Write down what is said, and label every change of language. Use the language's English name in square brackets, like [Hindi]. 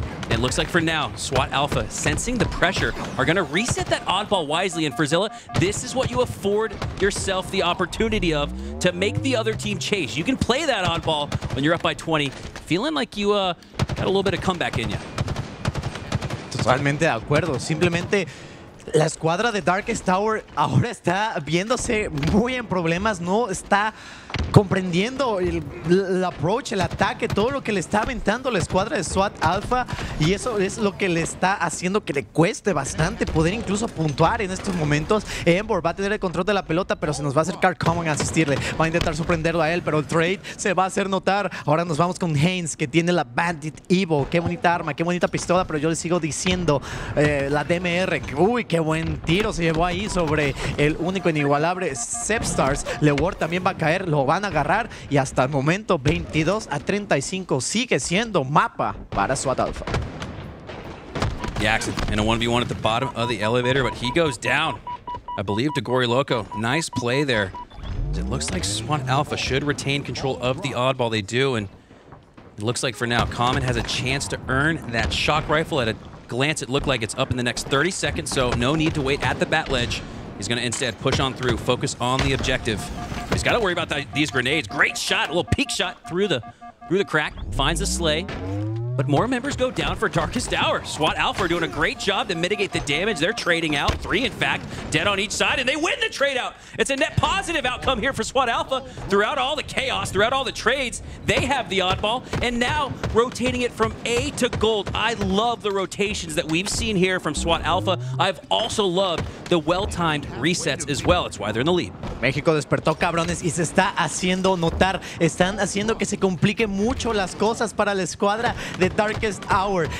[English] It looks like for now, SWAT Alpha, sensing the pressure, are going to reset that oddball wisely. And Frizilla, this is what you afford yourself the opportunity of, to make the other team chase. You can play that oddball when you're up by 20, feeling like you got a little bit of comeback in you. [Spanish] Totalmente de acuerdo. Simplemente, la escuadra de Darkest Tower ahora está viéndose muy en problemas. No está comprendiendo el approach, el ataque, todo lo que le está aventando la escuadra de SWAT Alpha. Y eso es lo que le está haciendo que le cueste bastante poder incluso puntuar en estos momentos. Envore va a tener el control de la pelota, pero se nos va a acercar Common a asistirle. Va a intentar sorprenderlo a él, pero el trade se va a hacer notar. Ahora nos vamos con Haines, que tiene la Bandit Evo. Qué bonita arma, qué bonita pistola, pero yo le sigo diciendo la DMR. Uy, qué buen tiro se llevó ahí sobre el único inigualable Sepstars. Leuor también va a caer, lo van a agarrar, y hasta el momento 22-35 sigue siendo mapa para SWAT Alpha. [English] Yakzn in a 1v1 at the bottom of the elevator, but he goes down, I believe, to Goryloco. Nice play there. It looks like SWAT Alpha should retain control of the oddball. They do, and it looks like for now Common has a chance to earn that shock rifle. At a glance, it looked like it's up in the next 30 seconds, so no need to wait at the bat ledge. He's gonna instead push on through, focus on the objective. He's gotta worry about these grenades. Great shot, a little peek shot through the crack, finds the sleigh. But more members go down for Darkest Hour. SWAT Alpha are doing a great job to mitigate the damage. They're trading out, three in fact, dead on each side, and they win the trade out. It's a net positive outcome here for SWAT Alpha. Throughout all the chaos, throughout all the trades, they have the oddball, and now rotating it from A to gold. I love the rotations that we've seen here from SWAT Alpha. I've also loved the well-timed resets as well. It's why they're in the lead. [Spanish] México despertó, cabrones, y se está haciendo notar. Están haciendo que se complique mucho las cosas para la escuadra de Darkest Hour.